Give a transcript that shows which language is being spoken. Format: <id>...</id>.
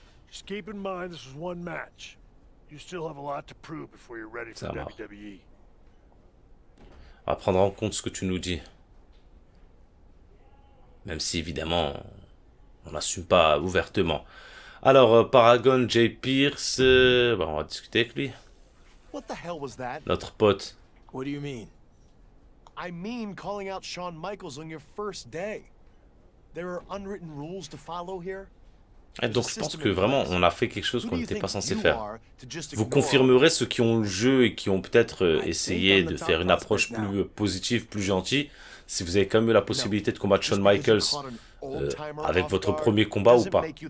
<en>Just keep in mind this was one match. You still have a lot to prove before you're ready for WWE.</en> <fr>À prendre en compte ce que tu nous dis. Même si évidemment, on n'assume pas ouvertement. Alors Paragon J. Pierce, bah, on va discuter avec lui.</fr> <en>What the hell was that?</en> <fr>Notre pote.</fr> <en>What do you mean? I mean calling out Shawn Michaels on your first day. There are unwritten rules to follow here.</en> <fr>Et donc je pense que vraiment on a fait quelque chose qu'on n'était pas censé faire. Vous confirmerez ceux qui ont le jeu et qui ont peut-être essayé de faire une approche plus positive, plus gentille, si vous avez quand même eu la possibilité de combattre Shawn Michaels avec votre premier combat ou pas.</fr>